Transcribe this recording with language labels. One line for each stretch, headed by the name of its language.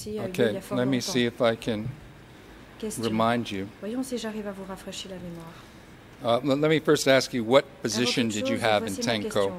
English: Okay, let me see if I can remind you.
French: Voyons si j'arrive à vous rafraîchir la mémoire.
English: Let me first ask you, what position did you have in Tenko?